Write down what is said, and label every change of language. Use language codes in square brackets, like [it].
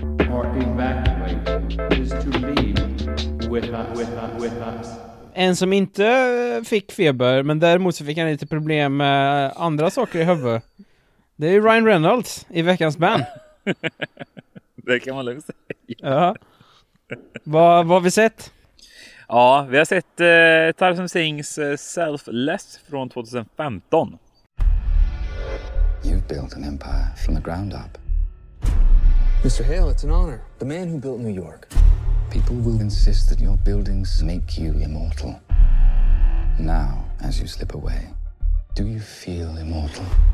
[en] or evacuate is to leave with us. [sv] En som inte fick feber, men däremot så fick han lite problem med andra saker i huvudet. Det är ju Ryan Reynolds i veckans band. Det kan man lugnt säga. Ja. Vad har vi sett? Ja, vi har sett Tarzan Sings Selfless från 2015. [en] You've built an empire from the ground up. Mr. Hale, it's an honor. The man who built New York. People will insist that your buildings make you immortal. Now, as you slip away, do you feel immortal?